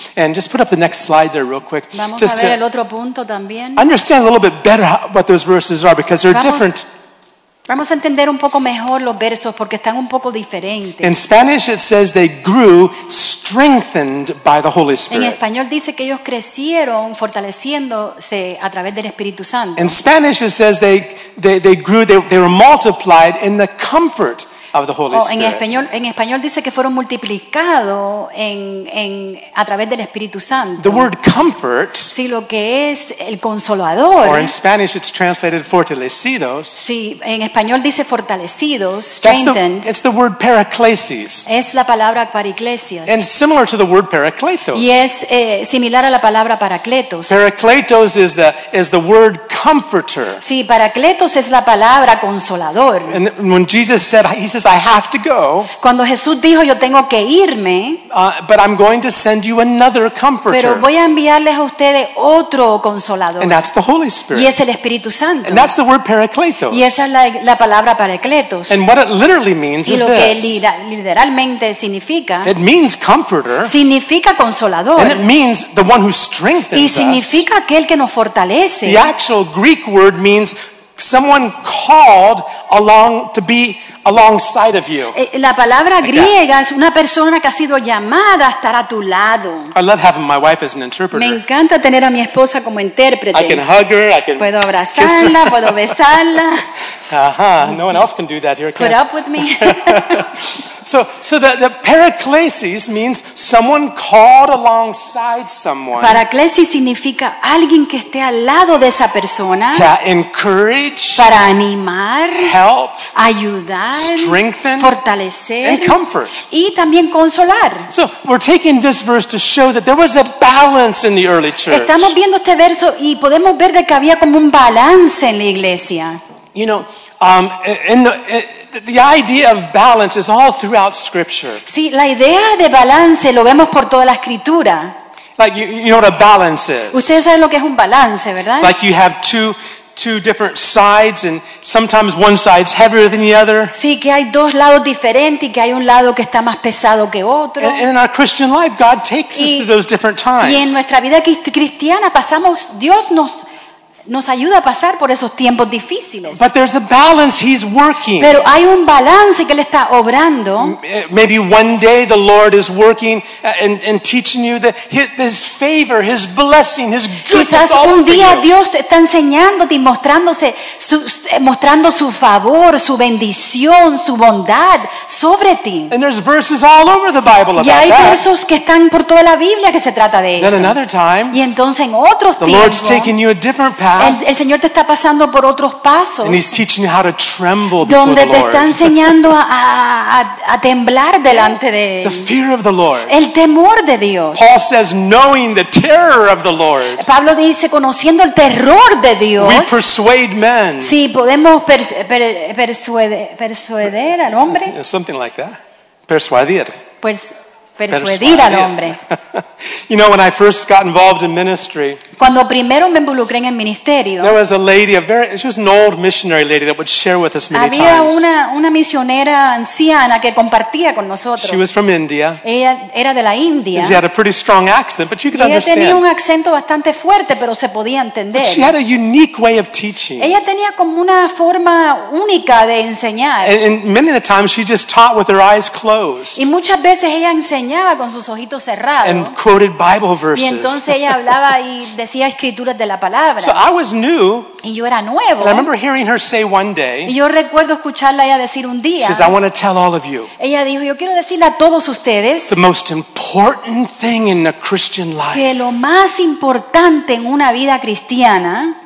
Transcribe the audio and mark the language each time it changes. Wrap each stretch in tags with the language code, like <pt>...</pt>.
<en>And just put up the next slide there real quick.</en> <es>Vamos</es> <en>just</en> <es>a ver el otro punto también.</es> <en>Understand a little bit better what those verses are, because they're different.</en> <es>Vamos a entender un poco mejor los versos porque están un poco diferentes.</es> <en>In Spanish it says they grew strengthened by the Holy Spirit.</en> <es>En español dice que ellos crecieron fortaleciéndose a través del Espíritu Santo.</es> <en>In Spanish it says they were multiplied in the comfort of the Holy Spirit.</en> <es>En español dice que fueron multiplicados a través del Espíritu Santo.</es> <en>The word comfort,</en> <es>sí, lo que es el consolador.</es> <en>Or in Spanish it's translated fortalecidos.</en> <es>Sí, en español dice fortalecidos, strengthened.</es> <en>It's the word paraclesis.</en> <es>Es la palabra paraclesis.</es> <en>And similar to the word paracletos.</en> <es>Y es similar a la palabra paracletos.</es> <en>Paracletos is the word comforter.</en> <es>Sí, paracletos es la palabra consolador.</es> <en>And when Jesus said, he says, "I have to go."</en> <es>Cuando Jesús dijo, "Yo tengo que irme."</es> <en>But I'm going to send you another comforter.</en> <es>Pero voy a enviarles a ustedes otro consolador.</es> <en>And that's the Holy Spirit.</en> <es>Y es el Espíritu Santo.</es> <en>And that's the word paracletos.</en> <es>Y esa es la palabra paracletos.</es> <en>And what it literally means is this.</en> <es>Y lo que literalmente significa.</es> <en>It means comforter.</en> <es>Significa consolador.</es> <en>And it means the one who strengthens</en> <es>us. Y significa aquel que nos fortalece.</es> <en>The actual Greek word means someone called along to be alongside of you.</en> <es>La palabra griega es una persona que ha sido llamada a estar a tu lado.</es> <en>I love having my wife as an interpreter.</en> <es>Me encanta tener a mi esposa como intérprete.</es> <en>I can hug her, I can</en> <es>puedo abrazarla,</es> <en>kiss her.</en> <es>Puedo besarla.</es> <en>No one else can do that here, can put up with me. So the paraclesis means someone called alongside someone.</en> <es>Paraclesis significa alguien que esté al lado de esa persona.</es> <en>To encourage.</en> <es>Para animar.</es> <en>Help.</en> <es>Ayudar.</es> <en>Strengthen.</en> <es>Fortalecer.</es> <en>And comfort.</en> <es>Y también consolar.</es> <en>So we're taking this verse to show that there was a balance in the early church.</en> <es>Estamos viendo este verso y podemos ver de que había como un balance en la iglesia.</es> <en>You know, the idea of balance is all throughout Scripture.</en> <es>Sí, la idea de balance lo vemos por toda la Escritura.</es> <en>Like you know what a balance is.</en> <es>Ustedes saben lo que es un balance, ¿verdad?</es> <en>It's like you have two different sides, and sometimes one side's heavier than the other.</en> <es>Sí, que hay dos lados diferentes y que hay un lado que está más pesado que otro.</es> <en>And in our Christian life, God takes us through those different times.</en> <es>Y en nuestra vida cristiana pasamos, Dios nos nos ayuda a pasar por esos tiempos difíciles.</es> <en>But there's a balance he's working.</en> <es>Pero hay un balance que él está obrando.</es> <en>Maybe one day the Lord is working and teaching you that his favor, his blessing, his goodness.</en> <es>Quizás un día Dios te está enseñándote y mostrándose mostrando su favor, su bendición, su bondad sobre ti.</es> <en>And there's verses all over the Bible about</en> <es>that. Y hay</es> <en>that.</en> <es>Versos que están por toda la Biblia que se trata de</es> <en>then</en> <es>eso.</es> <en>Another time,</en> <es>y entonces en otros</es> <en>the</en> <es>tiempos</es> <en>Lord's taking you a different</en> <es>El Señor te está pasando por otros pasos</es> <en>and he's teaching you how to tremble before</en> <es>donde</es> <en>the Lord.</en> <es>Te está enseñando a temblar delante de Él.</es> <en>The fear of the Lord.</en> <es>El temor de Dios.</es> <en>Paul says, knowing the terror of the Lord.</en> <es>Pablo dice, conociendo el terror de Dios,</es> <en>we persuade men.</en> <es>Sí, podemos persuadir al hombre.</es> <en>Something like that. Persuadir.</en> <es>Pues, persuadir al hombre.</es> <en>You know, when I first got involved in ministry,</en> <es>cuando primero me involucré en el ministerio,</es> <en>there was a lady, she was an old missionary lady that would share with us many</en> <es>había</es> <en>times.</en> <es>Había una misionera anciana que compartía con nosotros.</es> <en>She was from India.</en> <es>Ella era de la India.</es> <en>She had a pretty strong accent, but you could</en> <es>ella</es> <en>understand.</en> <es>Ella tenía un acento bastante fuerte, pero se podía entender.</es> <en>But she had a unique way of teaching.</en> <es>Ella tenía como una forma única de enseñar.</es> <en>And many of the times she just taught with her eyes closed.</en> <es>Y muchas veces ella enseñaba con sus ojitos cerrados.</es> <en>And quoted Bible verses.</en> <es>Y entonces ella hablaba y decía escrituras de la palabra.</es> <en>So I was new,</en> <es>y yo era nuevo.</es> <en>And I remember hearing her say one day,</en> <es>y yo recuerdo escucharla ella decir un día.</es> <en>She says, I want to tell all of you,</en> <es>ella dijo, yo quiero decirle a todos ustedes</es> <en>the most important thing in a Christian life,</en> <es>que lo más importante en una vida cristiana</es>